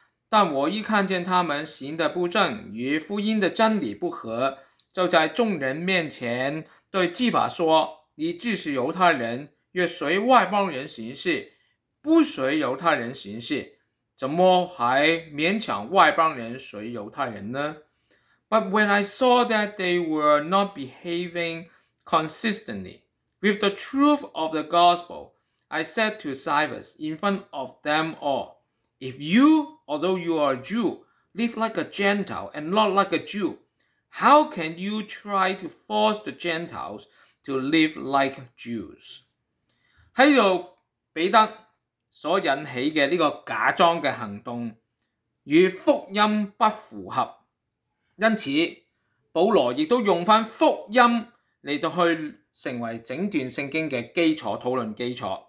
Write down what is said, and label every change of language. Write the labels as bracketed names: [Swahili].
[Chinese] 但我一看见他们行的不正，与福音的真理不合，就在众人面前对基法说，你既是犹太人，若随外邦人行事不随犹太人行事，怎么还勉强外邦人随犹太人呢？ [English] But when I saw that they were not behaving consistently with the truth of the gospel, I said to Silas in front of them all, if you, although you are a Jew, live like a Gentile and not like a Jew, how can you try to force the Gentiles to live like Jews? [Chinese] 在这里彼得所引起的这个假装的行动与福音不符合，因此保罗亦都用翻福音来到去成为整段圣经的基础讨论基础。